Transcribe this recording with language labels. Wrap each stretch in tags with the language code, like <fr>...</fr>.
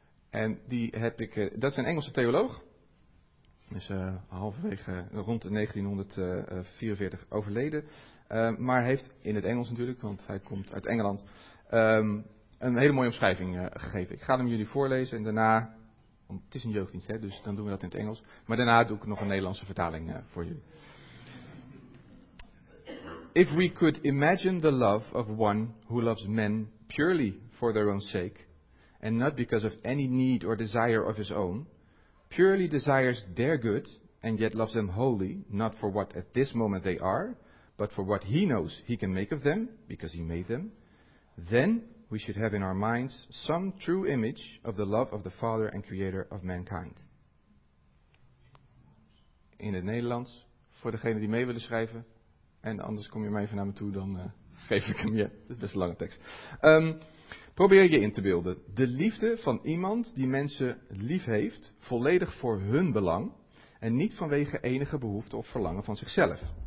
<nl>En die heb ik, dat is een Engelse theoloog. Dus halverwege rond 1944 overleden. Maar heeft in het Engels natuurlijk, want hij komt uit Engeland, een hele mooie omschrijving gegeven. Ik ga hem jullie voorlezen en daarna, want het is een jeugddienst, hè, dus dan doen we dat in het Engels. Maar daarna doe ik nog een Nederlandse vertaling voor jullie.</nl> <en>If we could imagine the love of one who loves men purely for their own sake, and not because of any need or desire of his own, purely desires their good, and yet loves them wholly, not for what at this moment they are, but for what he knows he can make of them, because he made them, then we should have in our minds some true image of the love of the Father and Creator of mankind.</en> <nl>In het Nederlands, voor degene die mee willen schrijven, en anders kom je mij even naar me toe, dan geef ik hem je. Dat is best een lange tekst. Probeer je in te beelden. De liefde van iemand die mensen lief heeft, volledig voor hun belang en niet vanwege enige behoefte of verlangen van zichzelf.</nl>